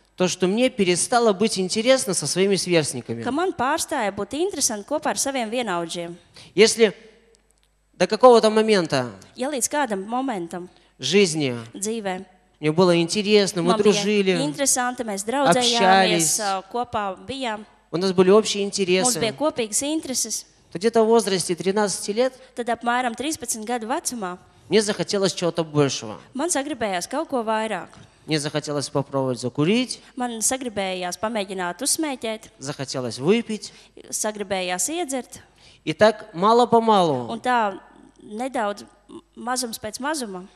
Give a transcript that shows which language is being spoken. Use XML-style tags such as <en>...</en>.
<ru>То, что мне перестало быть интересно со своими сверстниками.</ru> <lv>Ka man pārstāja būt interesanti kopā ar saviem vienaudžiem.</lv> <ru>Если до какого-то момента.</ru> <lv>Ja līdz kādam momentam.</lv> <ru>Жизни.</ru> <lv>Dzīvē.</lv> <ru>Мне было интересно, мы дружили.</ru> <lv>Interesanti, mēs draudzējāmies,</lv> <ru>общались.</ru> <lv>Kopā bijām.</lv> <ru>У нас были общие интересы.</ru> <lv>Mums bija kopīgas intereses.</lv> <ru>То где-то в возрасте 13 лет.</ru> <lv>Tad apmēram 13 gadu vecumā.</lv> <ru>Мне захотелось чего-то большего.</ru> <lv>Man sagribējās kaut ko vairāk.</lv> <ru>Мне захотелось попробовать закурить.</ru> <lv>Man sagribējās pamēģināt uzsmēķēt.</lv> <ru>Захотелось выпить.</ru> <lv>Sagribējās iedzert.</lv> <ru>И так мало-помалу.</ru> <lv>Un tā nedaudz mazums pēc mazuma.</lv>